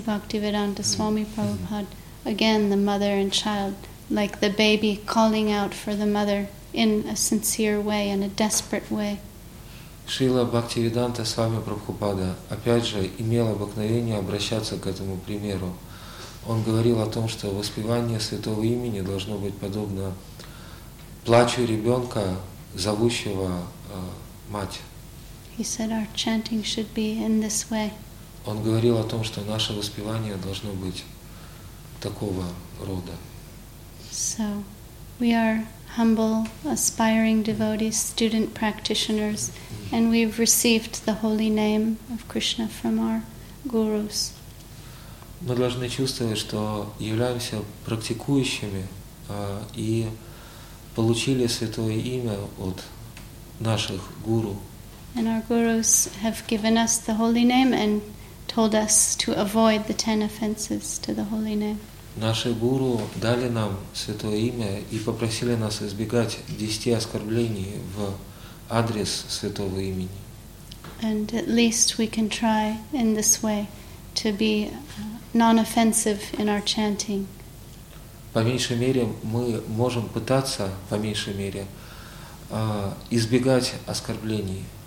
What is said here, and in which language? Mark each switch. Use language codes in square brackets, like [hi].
[en] Bhaktivedanta Swami Prabhupada, again, the mother and child, like the baby calling out for the mother in a sincere way, in a desperate way. [ru] Шрила Бхактивиданта Свами Прабхупада опять же имел обыкновение обращаться к этому примеру. Он говорил о том, что воспевание святого имени должно быть подобно плачу ребенка, зовущего мать. [en] He said our chanting should be in this way. [ru] он говорил о том, что наше воспевание должно быть такого рода. [en] So, we are humble, aspiring devotees, student practitioners, and we've received the holy name of Krishna from our gurus. [ru] Мы должны чувствовать, что являемся практикующими и получили святое имя от наших гуру. [en] And our gurus have given us the holy name and told us to avoid the 10 offenses to the holy name. [ru] Наши гуру дали нам святое имя и попросили нас избегать 10 оскорблений в адрес святого имени. [en] And at least we can try in this way to be non-offensive in our chanting. [ru] По меньшей мере, мы можем пытаться, по меньшей мере, избегать оскорблений.